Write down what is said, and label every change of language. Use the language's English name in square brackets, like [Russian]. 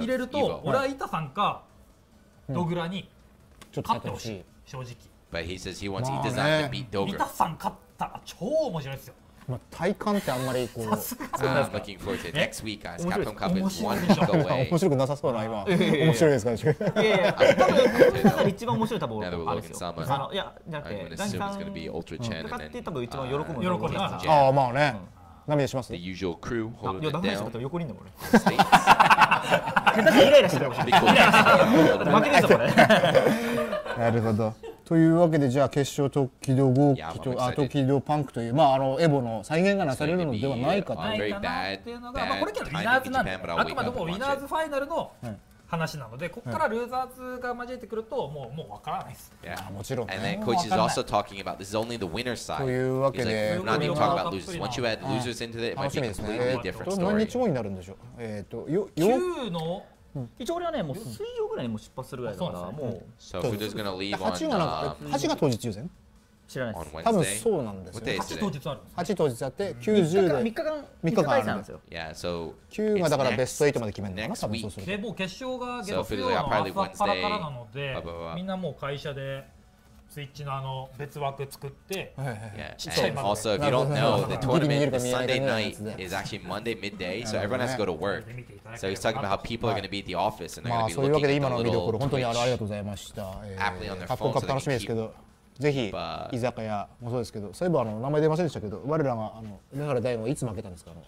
[Japanese] 入れると、俺は板さんかドグラに勝ってほしい。正直。 [English] But he says he wants he does not beat Dogra. [Japanese] 板さん勝ったら超面白いですよ。まあ体感ってあんまりこう。 [English] Looking forward to next week as Capcom Cup is one away. [Japanese] 面白くなさそうな今。面白いですかね。いやいや。多分一番面白い多分あれですよ。いやじゃなくて、ダンさん勝って多分一番喜ぶ。喜ぶ。ああまあね。涙しますね。 [English] The usual crew holding down. [Japanese] いや、ダメージだったら横にいんだもんね。下手にイライラしてたかもしれない。イライラしてた。負けないぞ、これ。なるほど。というわけで、じゃあ決勝トキドゴーキと、あ、トキドパンクという、まあ、あの、エボの再現がなされるのではないかと。ないかなっていうのが、まあ、これけどウィナーズなんで、あくまでもウィナーズファイナルの話なので、こっからルーザーズが交えてくると、もう分からないです。いや、もちろん。 [English] And then coach is also talking about this is only the winner side. [Japanese] というわけで、何を [English] talk about losers? Once you add losers into it, it might be a completely different story. [Japanese] 何日後になるんでしょう。 9の、一応俺はね、もう水曜ぐらいにも出発するぐらいだから、もう。 [English] So who's gonna leave on the [Japanese] 8が当日抽選？知らないです。多分そうなんですよ。 8当日あるんです。 8当日あって、90 で。3日間あるんですよ。 [English] Yeah, so [Japanese] 9がだからベスト8まで決めるのかな、多分そうする。で、もう決勝が月曜の朝っぱらからなので、みんなもう会社で。スイッチのあの別枠作って、ちっちゃい枠。 [English] Also, if you don't know, the tournament is Sunday night is actually Monday midday, so everyone has to go to work. So he's talking about how people are going to be at the office and they're going to be looking at the little Twitch. [Japanese] 本当にありがとうございました。カプコンカップ楽しみですけど、ぜひ居酒屋もそうですけど、そういえばあの名前出ませんでしたけど、我らがあの梅原大吾いつ負けたんですか？